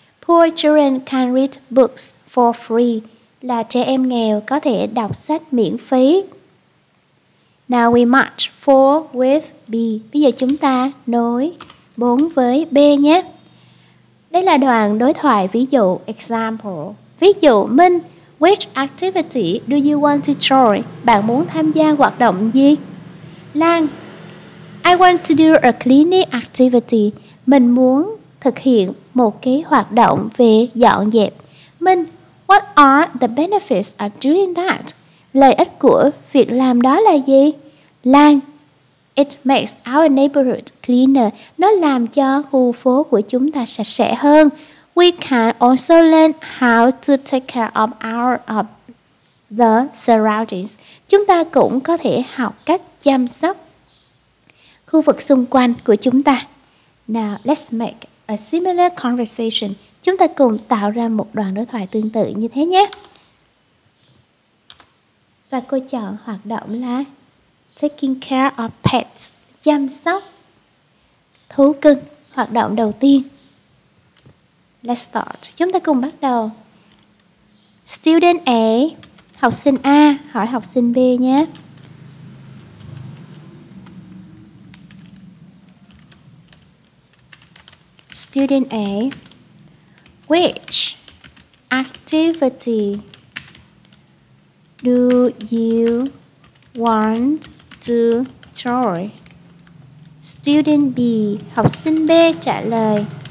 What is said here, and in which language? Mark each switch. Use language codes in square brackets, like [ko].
[en] Poor children can read books for free, [vi] là trẻ em nghèo có thể đọc sách miễn phí. [en] Now we march 4 with B. [vi] Bây giờ chúng ta nối 4 với B nhé. Đây là đoạn đối thoại ví dụ, example. Ví dụ, [en] Minh, which activity do you want to join? [vi] Bạn muốn tham gia hoạt động gì? [en] Lan, I want to do a cleaning activity. [vi] Mình muốn thực hiện một cái hoạt động về dọn dẹp. [en] Minh, what are the benefits of doing that? [vi] Lợi ích của việc làm đó là gì? [en] Lan, it makes our neighborhood cleaner. [vi] Nó làm cho khu phố của chúng ta sạch sẽ hơn. [en] We can also learn how to take care of the surroundings. [vi] Chúng ta cũng có thể học cách chăm sóc khu vực xung quanh của chúng ta. [en] Now, let's make a similar conversation. [vi] Chúng ta cùng tạo ra một đoạn đối thoại tương tự như thế nhé. Và cô chọn hoạt động là [en] taking care of pets, [vi] chăm sóc thú cưng, hoạt động đầu tiên. [en] Let's start. [vi] Chúng ta cùng bắt đầu. Student A, học sinh A hỏi học sinh B nhé. [en] Student A, which activity do you want to join? [vi] Student B, học sinh B trả lời.